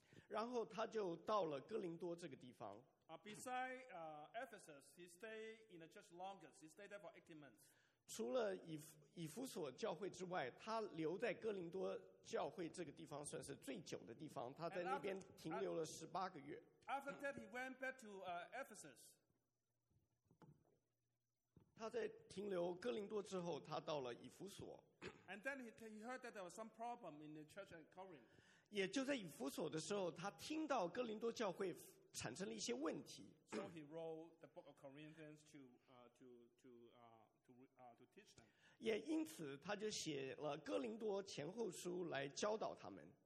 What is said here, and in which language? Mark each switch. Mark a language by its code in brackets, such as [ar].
[zh] 然后他就到了哥林多这个地方。 [en] Beside Ephesus, he stayed in the church longest. He stayed there for 18 months. [zh] 除了以弗所教会之外，他留在哥林多教会这个地方算是最久的地方。他在那边停留了18个月。 [en] After that, he went back to Ephesus. [zh] 他在停留哥林多之后，他到了以弗所。 [en] And then he heard that there was some problem in the church at Corinth. [zh] 也就在以弗所的时候，他听到哥林多教会产生了一些问题。 [en] So he wrote the book of Corinthians to teach them. [zh] 也因此，他就写了哥林多前后书来教导他们。